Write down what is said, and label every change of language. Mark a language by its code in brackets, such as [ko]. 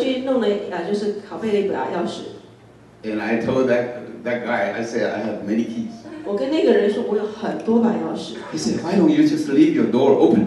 [zh] 有一次我又去弄了，就是拷贝了一把钥匙。 [en] And I told that guy, I said I have many keys. [zh] 我跟那个人说我有很多把钥匙。 [en] He said, why don't you just leave your door open?